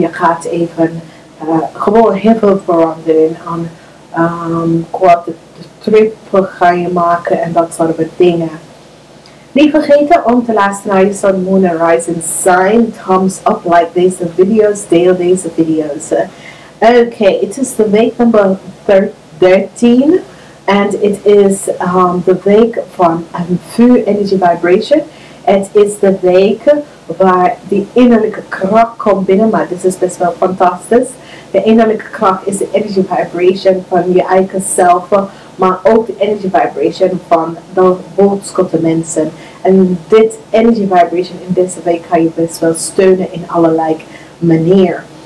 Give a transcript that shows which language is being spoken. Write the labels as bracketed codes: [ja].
[nl] Je gaat even gewoon heel veel verandering aan korte trip ga je maken en dat soort dingen. Niet vergeten om te luisteren naar je [en] Sun, Moon and Rising sign. Thumbs up, [nl] like deze video's, deel deze video's. [en] Okay, it is the week number 13 and it is the week [nl] van vuur [en] energy vibration. [nl] Het is de week waar de innerlijke kracht komt binnen, maar dit is best wel fantastisch. De innerlijke kracht is de energy vibration van je eigen zelf, maar ook de energy vibration van de boodschappen mensen. En dit energy vibration in deze week kan je best wel steunen in allerlei manier.